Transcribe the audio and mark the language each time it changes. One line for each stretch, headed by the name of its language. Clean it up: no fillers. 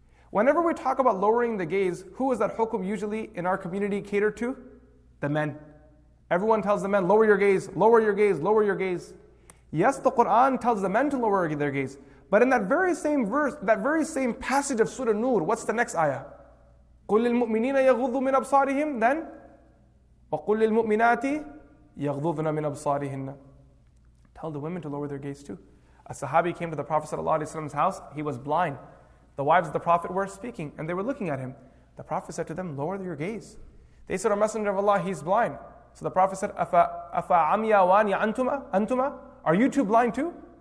English: Whenever we talk about lowering the gaze, who is that hukum usually in our community catered to? The men. Everyone tells the men, lower your gaze, lower your gaze, lower your gaze. Yes, the Quran tells the men to lower their gaze. But in that very same verse, that very same passage of Surah Nur, what's the next ayah?
Arabic: قُلْ لِلْمُؤْمِنِينَ يَغُضُّ مِنْ أَبْصَارِهِمْ Then, وَقُلْ لِلْمُؤْمِنَاتِ يَغْضُضْنَ مِنْ أَبْصَارِهِنَّ
English: Tell the women to lower their gaze too. A sahabi came to the Prophet ﷺ's house, he was blind. The wives of the Prophet were speaking and they were looking at him. The Prophet said to them, lower your gaze. They said, O Messenger of Allah, he's blind. So the Prophet said,
Arabic: Afa amya wani antuma?
English: Are you too blind too?